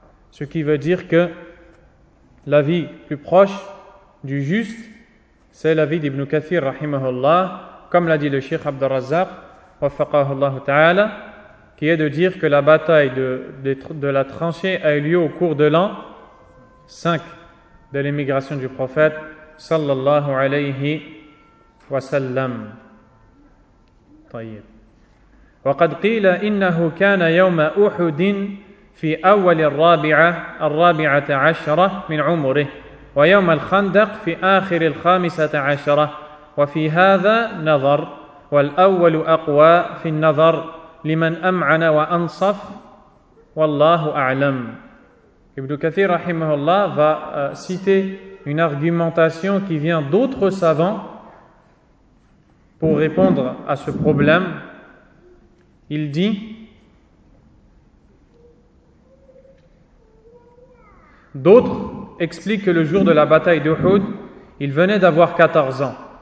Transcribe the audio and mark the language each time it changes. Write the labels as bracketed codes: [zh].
[fr] Ce qui veut dire que la vie plus proche du juste, c'est la vie d'Ibn Kathir, rahimahullah, comme l'a dit le Cheikh Abd al-Razzaq, wafaqahullahu ta'ala, qui est de dire que la bataille de la tranchée a eu lieu au cours de l'an 5 de l'émigration du prophète sallallahu alayhi wa sallam. [ar] طيب. وقد قيل إنه كان يوم أحد في أول الرابعة عشرة من عمره ويوم الخندق في آخر الخامسة عشرة وفي هذا نظر والأول أقوى في النظر لمن أمعن وأنصف والله أعلم. [fr] Ibn Kathir rahimahullah va citer une argumentation qui vient d'autres savants pour répondre à ce problème. Il dit, d'autres expliquent que le jour de la bataille d'Uhud, il venait d'avoir 14 ans.